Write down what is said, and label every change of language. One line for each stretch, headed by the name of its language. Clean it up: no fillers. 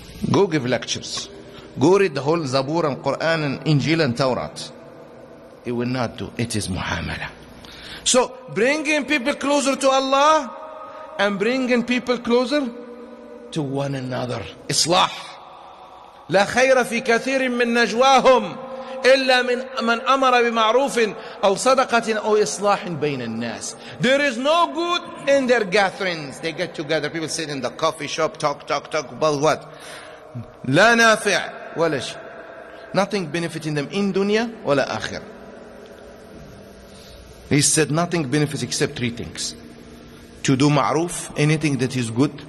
English: Go give lectures. Go read the whole Zabur and Quran and Injil and Taurat. It will not do. It is muamala. So, bringing people closer to Allah and bringing people closer to one another. إصلاح.
Arabic: لا خير في كثير من نجواهم إلا من من أمر بمعروف أو صدقة أو إصلاح بين الناس.
English: There is no good in their gatherings. They get together, people sit in the coffee shop, talk about what?
Arabic: لا نافع ولا شيء. Nothing benefiting them in dunya ولا آخر.
English: He said nothing benefits except three things. To do ma'roof, anything that is good.